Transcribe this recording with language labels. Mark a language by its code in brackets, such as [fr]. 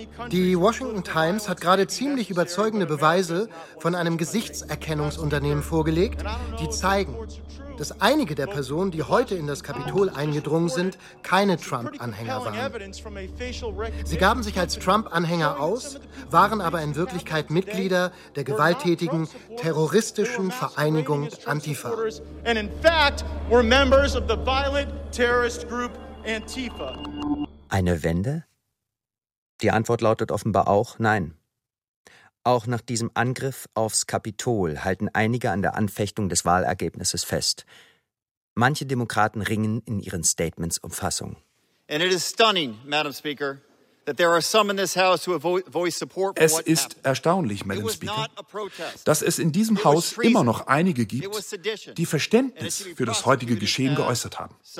[de] Die Washington Times hat gerade ziemlich überzeugende Beweise von einem Gesichtserkennungsunternehmen vorgelegt, die zeigen, dass einige der Personen, die heute in das Kapitol eingedrungen sind, keine Trump-Anhänger waren. Sie gaben sich als Trump-Anhänger aus, waren aber in Wirklichkeit Mitglieder der gewalttätigen, terroristischen Vereinigung Antifa. [en] And in fact, were members of the violent terrorist group Antifa. [de] Eine Wende? Die Antwort lautet offenbar auch nein. Auch nach diesem Angriff aufs Kapitol halten einige an der Anfechtung des Wahlergebnisses fest. Manche Demokraten ringen in ihren Statements um Fassung. [en] And it is stunning, Madam Speaker. [de] Es ist erstaunlich, Madam Speaker, dass es in diesem Haus immer noch einige gibt, die Verständnis für das heutige Geschehen geäußert haben.